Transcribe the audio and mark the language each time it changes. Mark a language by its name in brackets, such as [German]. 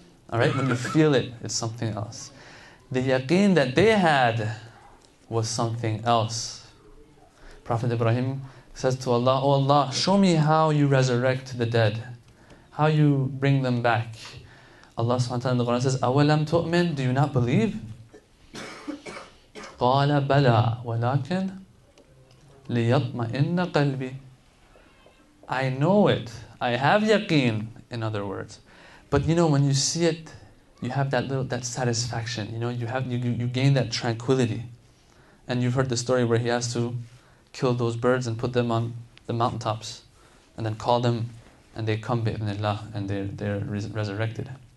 [English] All right? When you feel it, it's something else. The yaqeen that they had was something else. Prophet Ibrahim says to Allah, oh Allah, show me how you resurrect the dead. How you bring them back. Allah subhanahu wa ta'ala in the Quran says, [Arabic] أَوَلَمْ تُؤْمِنْ, [English] do you not believe? [Arabic] قَالَ بَلَىٰ وَلَكِنْ لِيَطْمَئِنَّ قَلْبِي, [English] I know it. I have yaqeen, in other words. But you know, when you see it, you have that satisfaction. You know, you gain that tranquility. And you've heard the story where he has to kill those birds and put them on the mountaintops and then call them and they come bi'idhnillah and they're resurrected.